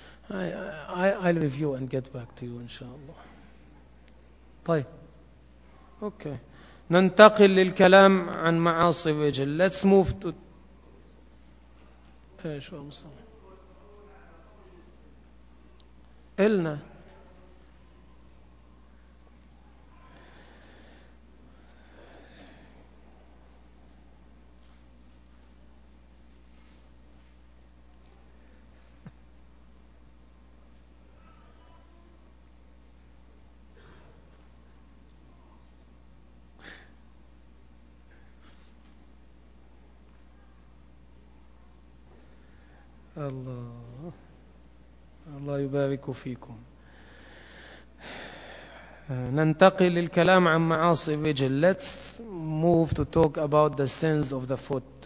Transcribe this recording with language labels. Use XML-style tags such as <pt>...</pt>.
<en>I'll review and get back to you, inshallah.</en> <ar>طيب. Okay. ننتقل للكلام عن معاصي وجه.</ar> <en>Let's move to.</en> <ar>شو المصطلح؟ قلنا. الله الله يبارك فيكم. ننتقل للكلام عن معاصي الرجل.</ar> <en>Let's move to talk about the sins of the foot.</en>